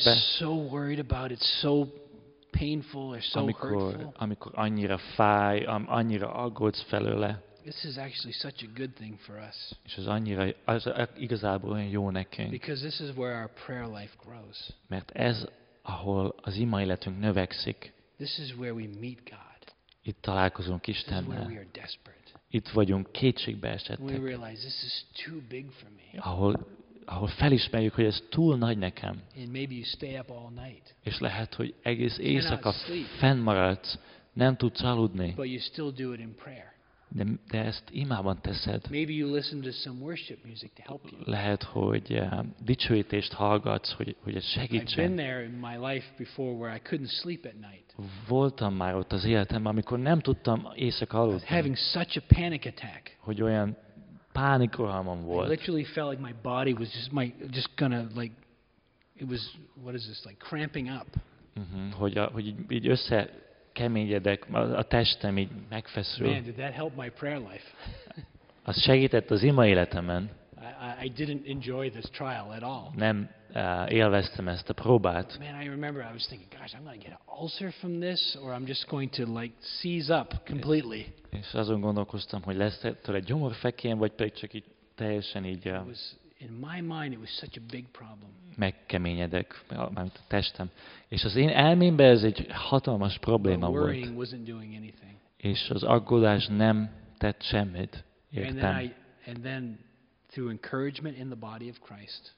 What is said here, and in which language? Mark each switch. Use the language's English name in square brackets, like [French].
[English] You're so worried about it, so painful or so hurtful. [Hungarian] Amikor annyira fáj, annyira aggódsz felőle. [English] This is actually such a good thing for us. [Hungarian] És ez annyira, az igazából olyan jó nekünk. [English] Because this is where our prayer life grows. [Hungarian] Mert ez, ahol az ima életünk növekszik. [English] This is where we meet God. [Hungarian] Itt találkozunk Istennel. [English] This is where we are desperate. [Hungarian] Itt vagyunk kétségbe esettek. [English] We realize this is too big for me. [Hungarian] Ahol felismerjük, hogy ez túl nagy nekem. [English] And maybe you stay up all night. [Hungarian] És lehet, hogy egész éjszaka fennmaradsz, nem tudsz aludni. [English] But you still do it in prayer. [Hungarian] De ezt imában teszed. [English] Maybe you listen to some worship music to help you. [Hungarian] Lehet, hogy dicsőítést hallgatsz, hogy ez segítsen. [English] I've been there in my life before where I couldn't sleep at night. [Hungarian] Voltam már ott az életemben, amikor nem tudtam éjszaka aludni. [English] Having such a panic attack. [Hungarian] Hogy olyan pánikrohamom volt. [English] I literally felt like my body was cramping up. [Hungarian] Hogy így össze keményedek, a testem így megfeszül. [English] Man, did that help my prayer life? [Hungarian] Az segített az ima életemen. [English] I didn't enjoy this trial at all. [Hungarian] Nem élveztem ezt a próbát. [English] Man, I remember I was thinking, gosh, I'm gonna get an ulcer from this, or I'm just going to seize up completely. [Hungarian] És azon gondolkoztam, hogy lesz tőle gyomorfekélyem, vagy pedig csak így teljesen így. [English] In my mind, it was such a big problem. [Hungarian] Megkeményedek, mármint a testem. És az én elmémben ez egy hatalmas probléma volt. [English] Worrying wasn't doing anything. [Hungarian] És az aggódás nem tett semmit, értem. [English] And then through encouragement in the body of Christ.